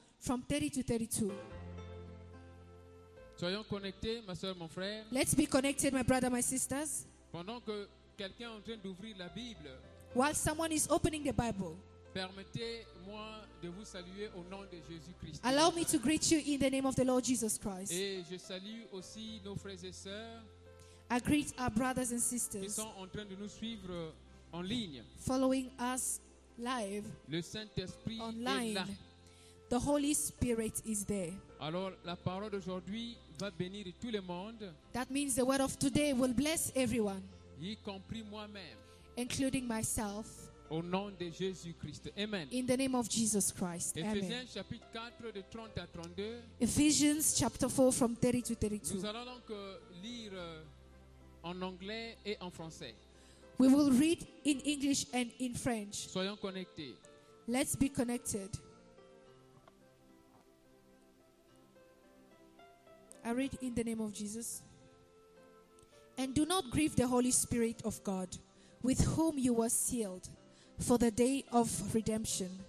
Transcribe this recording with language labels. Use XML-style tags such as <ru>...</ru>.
<en>from 30 to 32.</en> <fr>Soyons connectés, ma soeur, mon frère.</fr> <en>Let's be connected, my brother, my sisters.</en> <fr>Pendant que quelqu'un est en train d'ouvrir la Bible.</fr> <en>While someone is opening the Bible.</en> <fr>Permettez-moi de vous saluer au nom de Jésus Christ.</fr> <en>Allow me to greet you in the name of the Lord Jesus Christ.</en> <fr>Et je salue aussi nos frères et sœurs.</fr> <en>I greet our brothers and sisters.</en> <fr>Qui sont en train de nous suivre. En ligne.</fr> <en>Following us live.</en> <fr>Le Saint-Esprit</fr> <en>online,</en> <fr>est là.</fr> <en>The Holy Spirit is there.</en> <fr>Alors la parole d'aujourd'hui va bénir tout le monde.</fr> <en>That means the word of today will bless everyone.</en> <fr>Y compris moi-même.</fr> <en>Including myself.</en> <fr>Au nom de Jésus-Christ. Amen.</fr> <en>In the name of Jesus Christ.</en> <fr>Ephésiens chapitre 4 de 30 à 32.</fr> <en>Ephesians chapter 4 from 30 to 32.</en> <fr>Nous allons donc lire en anglais et en français.</fr> <en>We will read in English and in French.</en> <fr>Soyons connectés.</fr> <en>Let's be connected. I read in the name of Jesus. And do not grieve the Holy Spirit of God, with whom you were sealed for the day of redemption.</en>